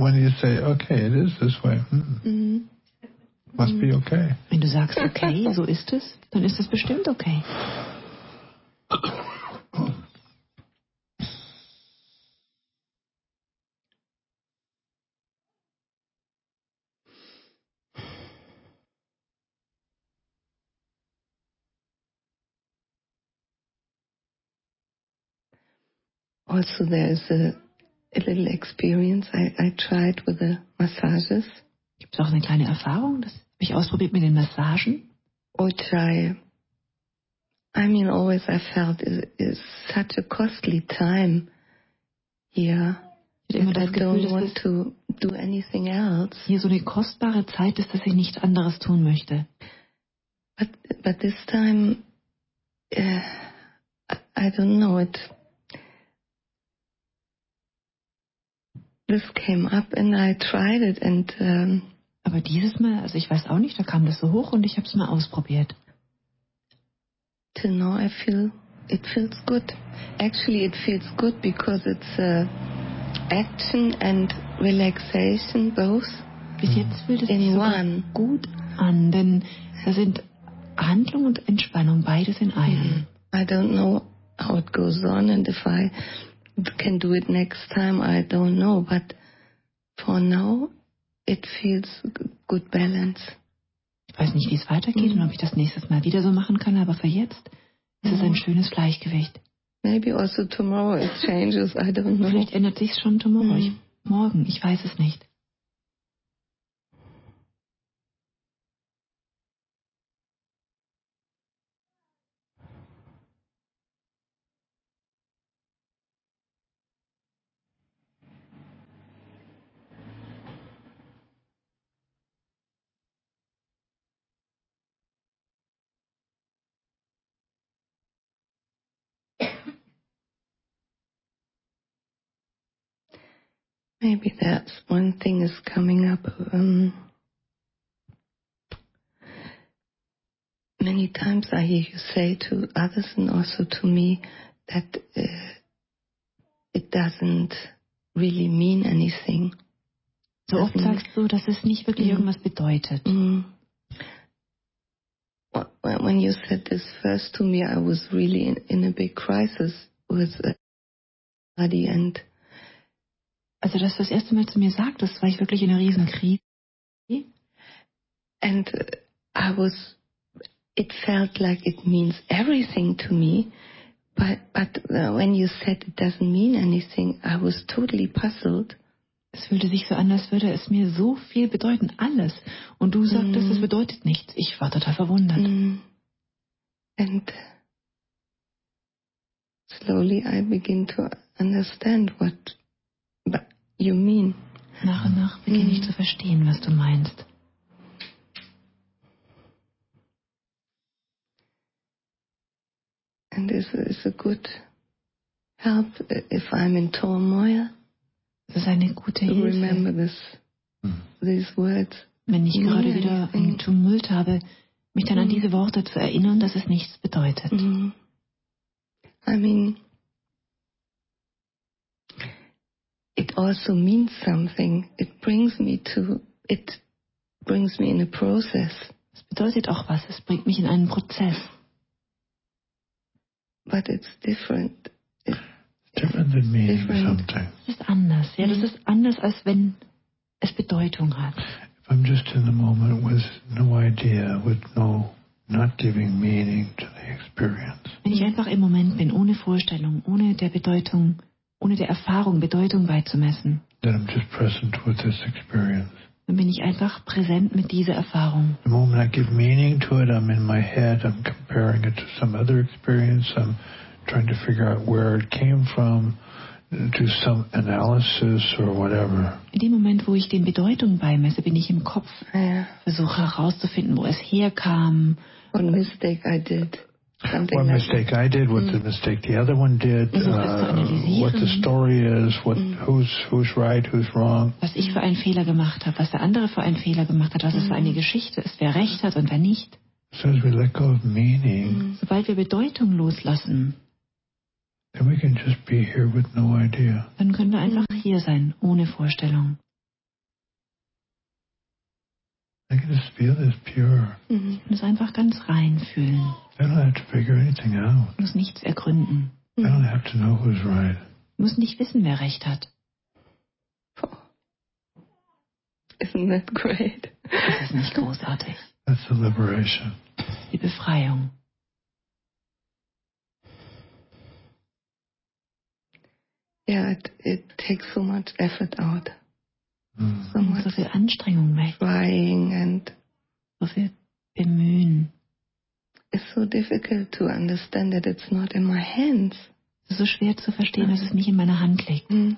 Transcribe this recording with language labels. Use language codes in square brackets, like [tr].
[en] When you say, okay, it is this way. Must be okay. [de] Wenn du sagst, okay, so ist es, dann ist es bestimmt okay. [en] Also there is a little experience I tried with the massages. [de] Gibt's auch eine kleine Erfahrung, das habe ich ausprobiert mit den Massagen. [en] Which I mean always I felt is such a costly time here. [de] Ich habe immer das Gefühl, dass hier so eine kostbare Zeit ist, dass ich nichts anderes tun möchte. [en] But this time I don't know it. This came up and I tried it and [de] aber dieses Mal, also ich weiß auch nicht, da kam das so hoch und ich habe es mal ausprobiert. [en] Till now I feel it feels good. Actually it feels good because it's action and relaxation both. [de] Bis jetzt fühlt es sich gut an, denn da sind Handlung und Entspannung beides in einem. [en] I don't know how it goes on and if I can do it next time, I don't know, but for now it feels good balance. [de] Ich weiß nicht, wie es weitergeht und ob ich das nächstes Mal wieder so machen kann, aber für jetzt ist es ein schönes Gleichgewicht. [en] Maybe also tomorrow it changes, I don't know. [de] Vielleicht ändert sich's schon [en] tomorrow. [de] Morgen, ich weiß es nicht. [en] Maybe that's one thing is coming up. Many times I hear you say to others and also to me that it doesn't really mean anything. [de] So oft sagst du, dass es nicht wirklich irgendwas bedeutet. [en] When you said this first to me, I was really in a big crisis with somebody and [de] also, dass du das erste Mal zu mir sagtest, war ich wirklich in einer Riesenkrise. [en] And I was, it felt like it means everything to me, but when you said it doesn't mean anything, I was totally puzzled. [de] Es fühlte sich so an, als würde es mir so viel bedeuten, alles. Und du sagtest, es bedeutet nichts. Ich war total verwundert. [en] And slowly I begin to understand what you mean. [de] Nach und nach beginne ich zu verstehen, was du meinst. [en] And this is a good help if I'm in turmoil. [de] Das ist eine gute Hilfe. [en] To remember these words. [de] Wenn ich gerade wieder einen Tumult habe, mich dann an diese Worte zu erinnern, dass es nichts bedeutet. [en] I mean, it also means something. It brings me in a process. [de] Es bedeutet auch was. Es bringt mich in einen Prozess. [en] But it's different. It's different than meaning sometimes. [de] Es ist anders. Ja, das ist anders, als wenn es Bedeutung hat. [en] If I'm just in the moment with no idea, with no not giving meaning to the experience. [de] Wenn ich einfach im Moment bin, ohne Vorstellung, ohne der Bedeutung, ohne der Erfahrung Bedeutung beizumessen, [en] then I'm just present with this experience. [de] Dann bin ich einfach präsent mit dieser Erfahrung. [en] The moment I give meaning to it, I'm in my head, I'm comparing it to some other experience, I'm trying to figure out where it came from, to some analysis or whatever. [de] In dem Moment, wo ich den Bedeutung beimesse, bin ich im Kopf, versuche herauszufinden, wo es herkam. [en] What a mistake I did. What mistake I did, what the mistake the other one did, what the story is, who's right, who's wrong. [de] Was ich für einen Fehler gemacht habe, was der andere für einen Fehler gemacht hat, was es für eine Geschichte ist, wer recht hat und wer nicht. [en] So as we let go of meaning, [de] sobald wir Bedeutung loslassen, [en] then we can just be here with no idea. [de] Dann können wir einfach hier sein, ohne Vorstellung. [en] I can just feel this pure. [de] Ich muss einfach ganz rein fühlen. [en] I don't have to figure anything out. [de] Ich muss nichts ergründen. [en] I don't have to know who's right. [de] Ich muss nicht wissen, wer recht hat. [en] Isn't that great? [de] Das ist nicht großartig. [en] That's the liberation. [de] Die Befreiung. [en] Yeah, it takes so much effort out. [de] So viel Anstrengung weg. [en] Trying and [de] so viel Bemühen. [en] It's so difficult to understand that it's not in my hands. [de] Es ist so schwer zu verstehen, dass es nicht in meiner Hand liegt.